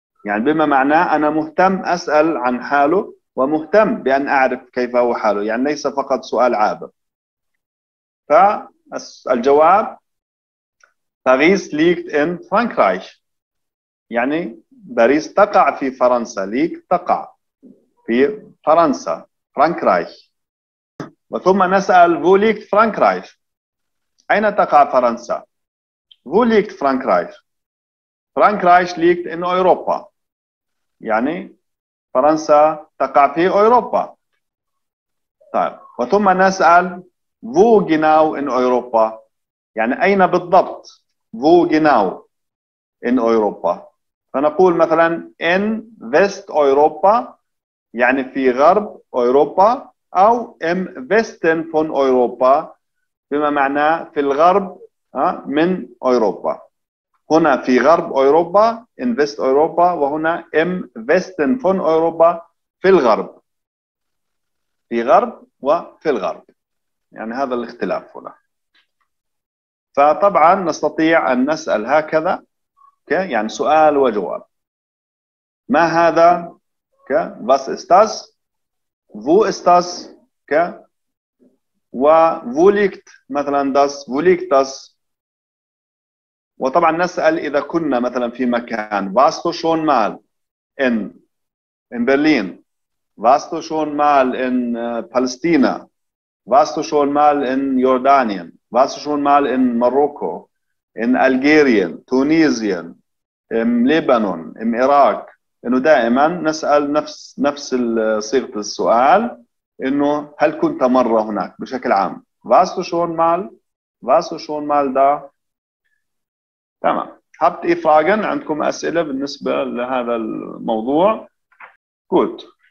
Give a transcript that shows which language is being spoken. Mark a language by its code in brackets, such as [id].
[ar] يعني بما معناه أنا مهتم أسأل عن حاله ومهتم بأن أعرف كيف هو حاله يعني ليس فقط سؤال عابر فالجواب [de] باريس ليكت إن فرانكرايش [ar] يعني باريس تقع في فرنسا ليك تقع في فرنسا فرانكرايش وثم نسأل [de] Wo liegt Frankreich؟ [ar] أين تقع فرنسا؟ [de] Wo liegt Frankreich? Frankreich liegt in Europa. [ar] يعني فرنسا تقع في أوروبا. طيب وثم نسأل [de] Wo genau in Europa? [ar] يعني أين بالضبط? [de] Wo genau in Europa? [ar] فنقول مثلا [de] in West Europa [ar] يعني في غرب أوروبا أو [de] im Westen von Europa [ar] بما معناه في الغرب من أوروبا هنا في غرب أوروبا in West Europa وهنا im Westen von Europa في الغرب في غرب وفي الغرب يعني هذا الاختلاف هنا فطبعا نستطيع أن نسأل هكذا، يعني سؤال وجواب. ما هذا؟ [de] Was ist das؟ Wo ist das؟ [ar] و wo liegt مثلا das؟ [de] Wo liegt das؟ [ar] وطبعا نسأل إذا كنا مثلا في مكان. [de] Warst du schon mal in Berlin؟ Warst du schon mal in Palästina؟ Warst du schon mal in Jordanien؟ Warst du schon mal in Marokko؟ In Algerien؟ Tunesien؟ In Lebanon؟ In Irak؟ [ar] إنه دائما نسأل نفس صيغة السؤال، إنه هل كنت مرة هناك بشكل عام؟ [de] Warst du schon mal؟ Warst du schon mal da؟ [ar] تمام. [de] Habt ihr Fragen؟ [ar] عندكم أسئلة بالنسبة لهذا الموضوع؟ Gut.